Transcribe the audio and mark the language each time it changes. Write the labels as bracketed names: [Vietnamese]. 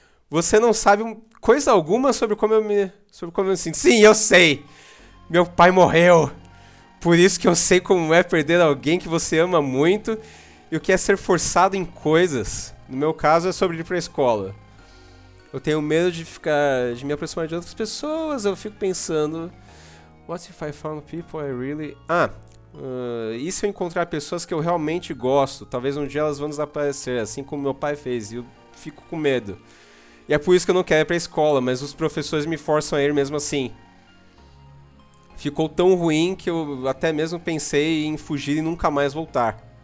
[Portuguese] Você não sabe coisa alguma sobre como eu me... sobre como eu me sinto. Sim, eu sei! Meu pai morreu! Por isso que eu sei como é perder alguém que você ama muito e o que é ser forçado em coisas. No meu caso, é sobre ir pra escola. Eu tenho medo de ficar... de me aproximar de outras pessoas. Eu fico pensando... [English] What if I found people I really... [Portuguese] e se eu encontrar pessoas que eu realmente gosto? Talvez um dia elas vão desaparecer, assim como meu pai fez. E eu fico com medo. E é por isso que eu não quero ir pra escola, mas os professores me forçam a ir mesmo assim. Ficou tão ruim que eu até mesmo pensei em fugir e nunca mais voltar.